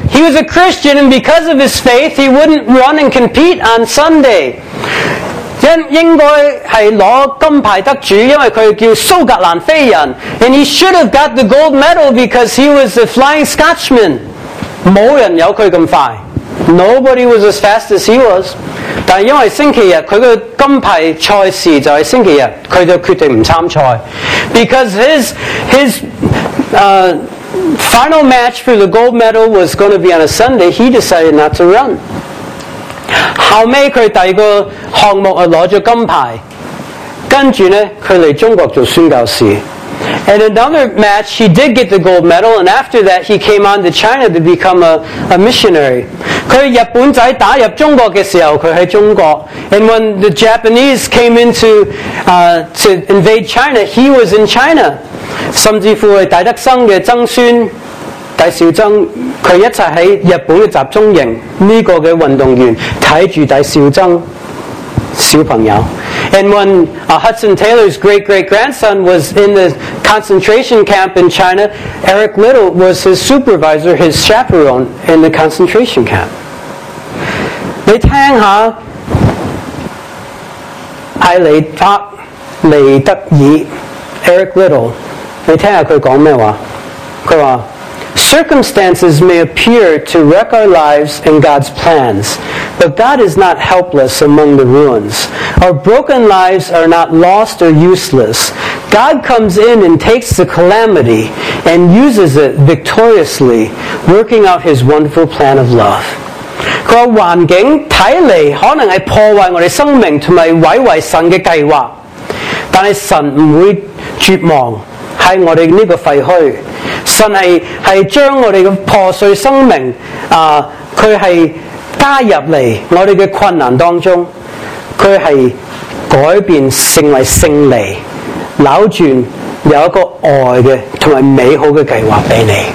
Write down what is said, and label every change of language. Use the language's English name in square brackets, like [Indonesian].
[English] He was a Christian, and because of his faith, he wouldn't run and compete on Sunday. [Chinese] 应该是拿金牌得主，因为他叫苏格兰飞人。 [English] And he should have got the gold medal because he was the Flying Scotchman. [Chinese] 没人有他这么快。 [English] Nobody was as fast as he was. [Chinese] 但因为星期日，他的金牌赛事就是星期日，他就决定不参赛。 [English] Because his final match for the gold medal was going to be on a Sunday, he decided not to run. [Chinese] 后来他第二个项目拿了金牌，跟着呢，他来中国做宣教士。 [English] And another match, he did get the gold medal, and after that, he came on to China to become a missionary. [Chinese] 他日本仔打入中国的时候，他在中国。 [English] And when the Japanese came in to invade China, he was in China. [Chinese] 甚至乎戴德生的曾孙戴少曾，他一起在日本的集中营，这个的运动员看着戴少曾小朋友。 [English] And when Hudson Taylor's great-great-grandson was in the concentration camp in China, Eric Liddell was his supervisor, his chaperone in the concentration camp. [Chinese] 你听下，艾雷克尼德尔 Eric Liddell， 你听下他讲咩话？他话 [English] ：Circumstances may appear to wreck our lives and God's plans. But God is not helpless among the ruins. Our broken lives are not lost or useless. God comes in and takes the calamity and uses it victoriously, working out his wonderful plan of love. [Chinese] 他说环境看来可能是破坏我们生命和毁坏神的计划，但是神不会绝望在我们这个废墟。神 是将我们的破碎生命他是加入来我们的困难当中，他是改变成为胜利，扭转有一个爱的和美好的计划给你。